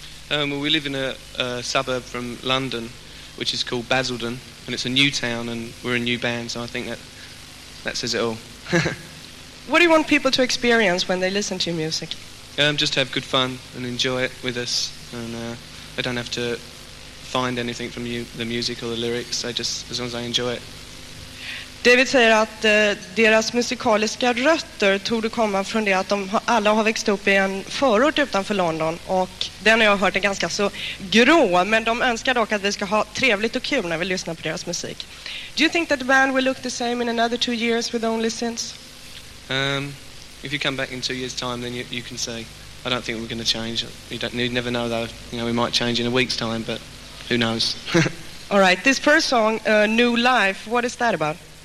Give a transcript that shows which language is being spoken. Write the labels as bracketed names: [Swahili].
[English] Well, we live in a suburb from London, which is called Basildon, and it's a new town, and we're a new band, so I think that says it all. What do you want people to experience when they listen to your music? Just have good fun and enjoy it with us, and they don't have to find anything from you, the music or the lyrics, so just as long as I enjoy it. [Swedish] David säger att deras musikaliska rötter torde komma från det att de alla har växt upp i en förort utanför London, och den har jag hört är ganska så grå, men de önskar dock att vi ska ha trevligt och kul när vi lyssnar på deras musik. [English] Do you think that the band will look the same in another 2 years with only synths? If you come back in 2 years time, then you can say, I don't think we're going to change. You never know though, you know, we might change in a week's time, but who knows. All right, this first song, New Life, what is that about?